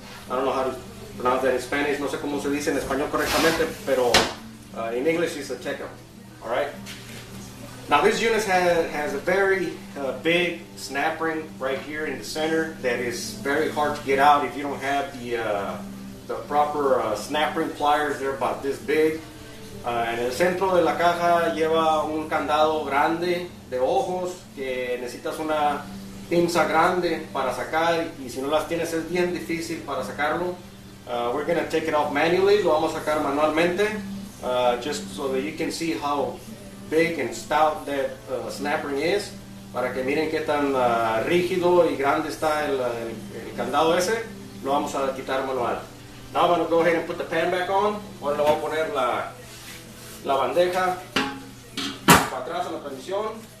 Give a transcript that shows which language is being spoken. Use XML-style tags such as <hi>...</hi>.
<en>I don't know how to pronounce that in Spanish.</en> <es>No sé cómo se dice en español correctamente, pero</es> <en>in English, it's a TECM, all right? Now, this unit has a very big snap ring right here in the center that is very hard to get out if you don't have the proper snap ring pliers. They're about this big.</en> <es>En el centro de la caja lleva un candado grande de ojos que necesitas una pinza grande para sacar, y si no las tienes es bien difícil para sacarlo.</es> <en>We're going to take it off manually.</en> <es>Lo vamos a sacar manualmente.</es> <en>Just so that you can see how big and stout that snap ring is.</en> <es>Para que miren qué tan rígido y grande está el candado ese, lo vamos a quitar manual.</es> <en>Now I'm going to go ahead and put the pan back on.</en> <es>Ahora le voy a poner la bandeja para atrás a la transmisión.</es>